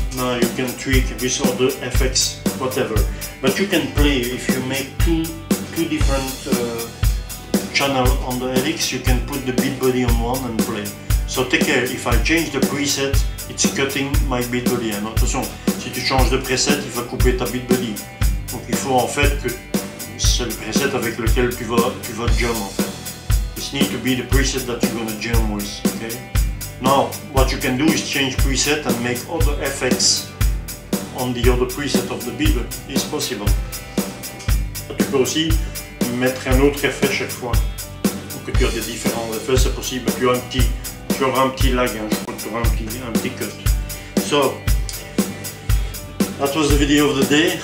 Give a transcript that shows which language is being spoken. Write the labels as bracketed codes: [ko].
[en] Now you can tweak with other effects, whatever. But you can play, if you make two different channels on the Helix, you can put the Beatbuddy on one and play. So take care, if I change the preset, it's cutting my Beatbuddy. [fr] Hein? Attention, si tu changes de preset, il va couper ta Beatbuddy. Donc il faut en fait que c'est le preset avec lequel tu vas jam en fait. [en] This needs to be the preset that you're gonna jam with, okay? Now, what you can do is change preset and make other effects on the other preset of the beat, is possible. [fr] Tu peux aussi mettre un autre effet chaque fois. Donc tu as des différents effets, c'est possible. Tu auras un petit lag, hein, je crois que tu auras un petit cut. [en] So, that was the video of the day.